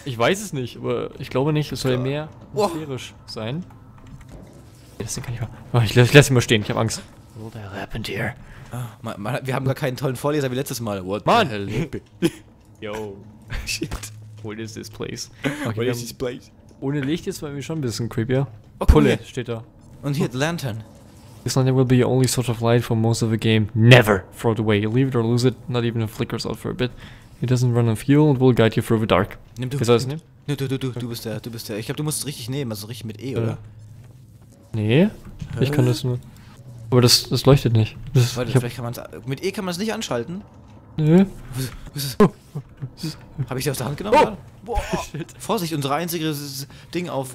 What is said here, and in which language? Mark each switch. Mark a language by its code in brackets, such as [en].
[de] Ich weiß es nicht, aber ich glaube nicht, es soll mehr atmosphärisch sein. Das Ding kann ich mal. Oh, ich lass ihn mal stehen, ich hab Angst. [en] What happened here? [de] Wir haben gar keinen tollen Vorleser wie letztes Mal. [en] Mann! Yo. Shit. What is this place? Okay, what is this place? [de] Ohne Licht ist es irgendwie schon ein bisschen creepier. Oh, Pulle steht da. Und hier die Lantern. [en] This lantern will be your only source of light for most of the game. Never throw it away. Leave it or lose it. Not even if it flickers out for a bit. It doesn't run on fuel and will guide you through the dark. [de] Nimm du. Wie soll ich es nehmen? Du bist der. Ich glaube, du musst es richtig nehmen. Also richtig mit E, oder? Nee. Ich kann das nur. Aber das leuchtet nicht. Vielleicht kann man es. Mit E kann man es nicht anschalten. Nö. Hab ich dir aus der Hand genommen? Shit. Vorsicht, unser einziges Ding auf.